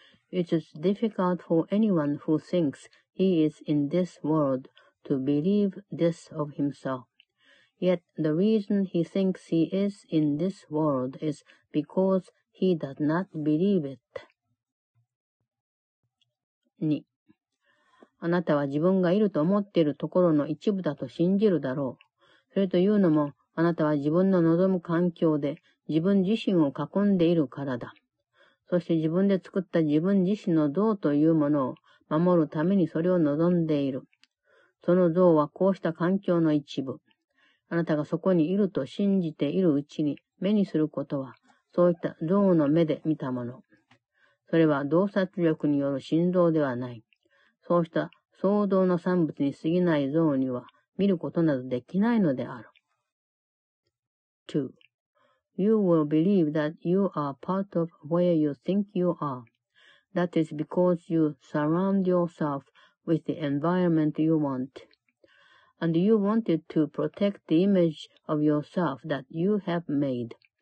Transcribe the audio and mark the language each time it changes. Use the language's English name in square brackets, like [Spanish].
[English] It is difficult for anyone who thinks he is in this world to believe this of himself. Yet the reason he thinks he is in this world is because he does not believe it. 2. [Japanese] あなたは自分がいると思っているところの一部だと信じるだろう。それというのも、あなたは自分の望む環境で自分自身を囲んでいるからだ。そして自分で作った自分自身の像というものを守るためにそれを望んでいる。その像はこうした環境の一部。あなたがそこにいると信じているうちに目にすることは、そういった像の目で見たもの。それは洞察力による振動ではない。そうした創造の産物に過ぎない像には見ることなどできないのである。 2. [English] You will believe that you are part of where you think you are. That is because you surround yourself with the environment you want. And you wanted to protect the image of yourself that you have made.